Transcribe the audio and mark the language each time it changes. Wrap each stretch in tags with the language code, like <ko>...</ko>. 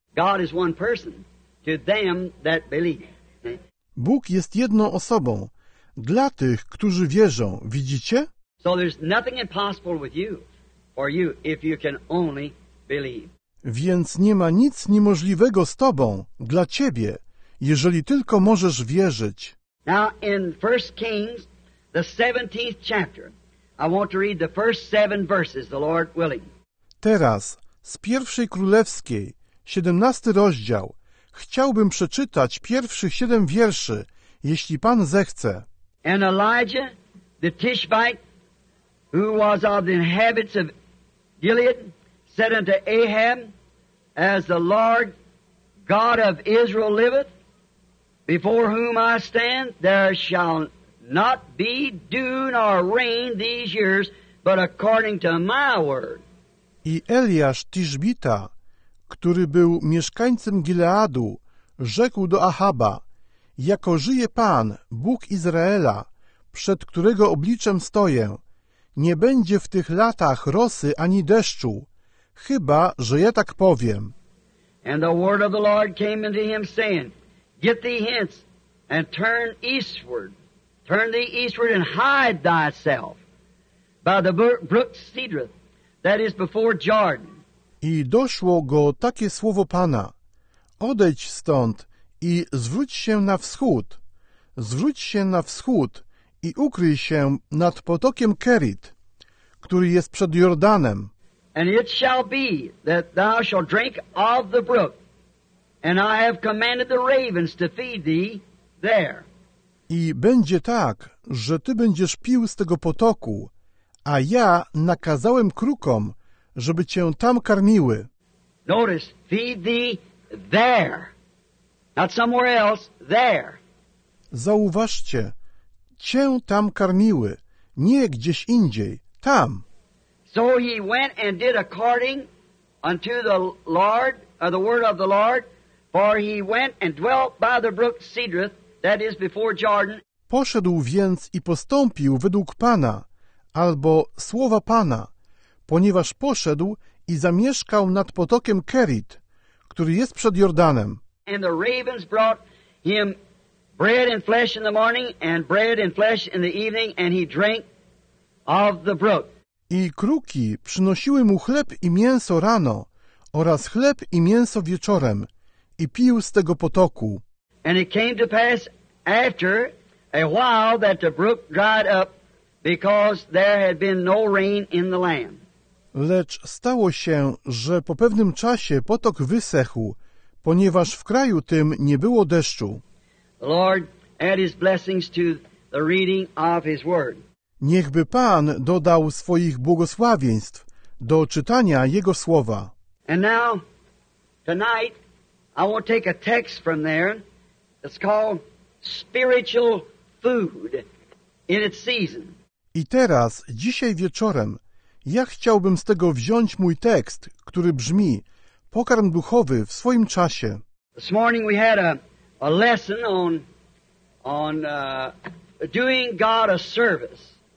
<en>God is one person to them that believe.</en> <pl>Bóg jest jedną osobą dla tych, którzy wierzą. Widzicie?</pl> <en>So there's nothing impossible with you. for you if you can only believe.</en> <pl>Więc nie ma nic niemożliwego z Tobą, dla Ciebie, jeżeli tylko możesz wierzyć.</pl> <en>Now in 1 Kings, the 17th chapter, I want to read the first 7 verses, the Lord willing.</en> <pl>Teraz, z pierwszej królewskiej, 17 rozdział, chciałbym przeczytać pierwszych 7 wierszy, jeśli Pan zechce.</pl> <en>And Elijah, the Tishbite, who was of the inhabitants of Gilead, said unto Ahab, As the Lord God of Israel liveth, before whom I stand, there shall not be dew nor rain these years, but according to my word.</en> <pl>I Eliasz Tishbita, który był mieszkańcem Gileadu, rzekł do Ahaba, Jako żyje Pan, Bóg Izraela, przed którego obliczem stoję, nie będzie w tych latach rosy ani deszczu, chyba, że ja tak powiem.</pl> <en>And the word of the Lord came unto him, saying, Get thee hence, and turn eastward. Turn thee eastward, and hide thyself by the brook Cedrus, that is before Jordan.</en> <pl>I doszło go takie słowo Pana. Odejdź stąd i zwróć się na wschód. Zwróć się na wschód i ukryj się nad potokiem Kerit, który jest przed Jordanem.</pl> <en>And it shall be that thou shalt drink of the brook, and I have commanded the ravens to feed thee there.</en> <pl>I będzie tak, że ty będziesz pił z tego potoku, a ja nakazałem krukom, żeby cię tam karmiły.</pl> <en>Notice, feed thee there, not somewhere else, there.</en> <pl>Zauważcie, cię tam karmiły, nie gdzieś indziej, tam.</pl> <en>So he went and did according unto the Lord, or the word of the Lord, for he went and dwelt by the brook Cedrus, that is before Jordan.</en> <pl>Poszedł więc i postąpił według Pana, albo słowa Pana, ponieważ poszedł i zamieszkał nad potokiem Kerit, który jest przed Jordanem.</pl> <en>And the ravens brought him bread and flesh in the morning and bread and flesh in the evening, and he drank of the brook.</en> <pl>I kruki przynosiły mu chleb i mięso rano oraz chleb i mięso wieczorem i pił z tego potoku.</pl> <en>And it came to pass after a while that the brook dried up because there had been no rain in the land.</en> <pl>Lecz stało się, że po pewnym czasie potok wysechł, ponieważ w kraju tym nie było deszczu.</pl> <en>The Lord add his blessings to the reading of his word.</en> <pl>Niechby Pan dodał swoich błogosławieństw do czytania Jego Słowa.</pl> <en>And now, tonight, I want to take a text from there. It's called Spiritual Food in its Season.</en> <pl>I teraz, dzisiaj wieczorem, ja chciałbym z tego wziąć mój tekst, który brzmi Pokarm Duchowy w swoim czasie.</pl> <en>This morning we had a lesson on doing God a service.</en>